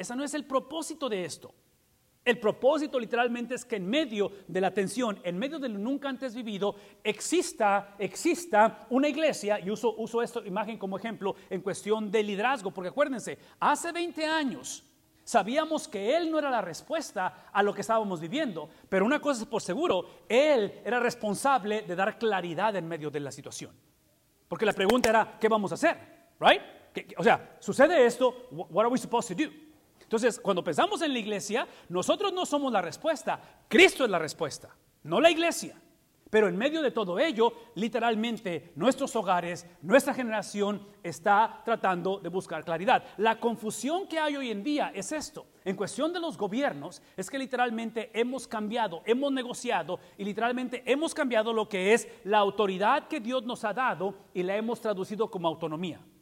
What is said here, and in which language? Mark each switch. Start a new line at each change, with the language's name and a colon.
Spanish: Ese no es el propósito de esto. El propósito literalmente es que en medio de la tensión, en medio de lo nunca antes vivido, exista una iglesia, y uso esta imagen como ejemplo en cuestión de liderazgo, porque acuérdense, hace 20 años sabíamos que Él no era la respuesta a lo que estábamos viviendo, pero una cosa es por seguro, Él era responsable de dar claridad en medio de la situación. Porque la pregunta era, ¿qué vamos a hacer?
English: ¿Right?
Spanish: O sea, sucede esto,
English: what are we supposed to do?
Spanish: Entonces, cuando pensamos en la iglesia, nosotros no somos la respuesta, Cristo es la respuesta, no la iglesia. Pero en medio de todo ello, literalmente, nuestros hogares, nuestra generación está tratando de buscar claridad. La confusión que hay hoy en día es esto. En cuestión de los gobiernos, es que literalmente hemos cambiado, hemos negociado y literalmente hemos cambiado lo que es la autoridad que Dios nos ha dado y la hemos traducido como autonomía.